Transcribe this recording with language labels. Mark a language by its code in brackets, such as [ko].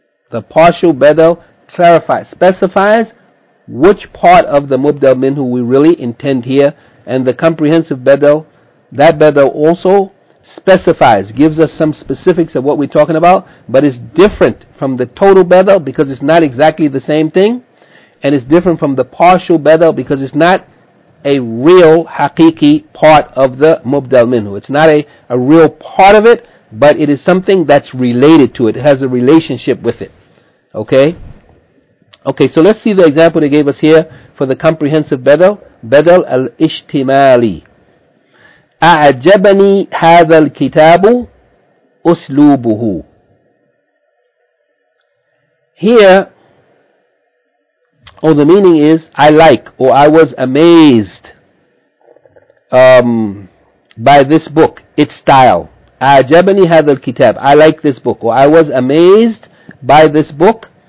[en] The partial bedel clarifies, specifies which part of the mubdal minhu we really intend here, and the comprehensive bedel, that bedel also specifies, gives us some specifics of what we're talking about, but it's different from the total bedel because it's not exactly the same thing, and it's different from the partial bedel because it's not a real haqiqi part of the mubdal minhu. It's not a real part of it, but it is something that's related to it. It has a relationship with it. Okay? Okay, so let's see the example they gave us here for the comprehensive bedel. Bedel al-ishtimali. [ar] أعجبني هذا الكتاب أسلوبه. [en] Here, or the meaning is, I like, or I was amazed by this book, its style. [ar] أعجبني هذا الكتاب. [en] I like this book, or I was amazed by this book.